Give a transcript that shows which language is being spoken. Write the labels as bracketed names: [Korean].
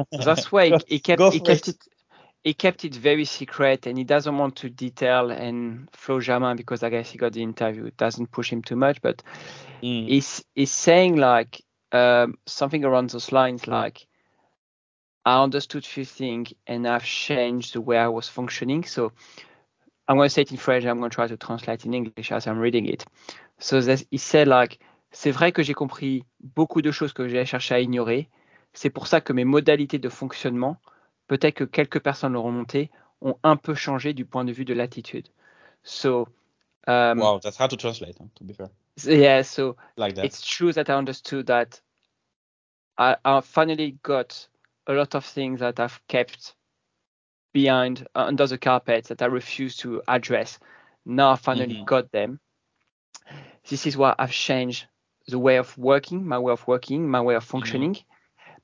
[English] That's why he kept it very secret and he doesn't want to detail and Flo Jamin, because I guess he got the interview, doesn't push him too much, but he's saying like something around those lines like, I understood a few things and I've changed the way I was functioning. So I'm going to say it in French. I'm going to try to translate in English as I'm reading it. So he said, like, [French] c'est vrai que j'ai compris beaucoup de choses que j'ai cherché à ignorer. C'est pour ça que mes modalités de fonctionnement, peut-être que quelques personnes l'auront monté, ont un peu changé du point de vue de l'attitude. [English] So, wow, that's hard to translate, to be fair. Yeah, so like that. It's true that I understood that I finally got a lot of things that I've kept behind under the carpet that I refuse to address. Now I finally got them. This is why I've changed the way of working, my way of working, my way of functioning. Mm-hmm.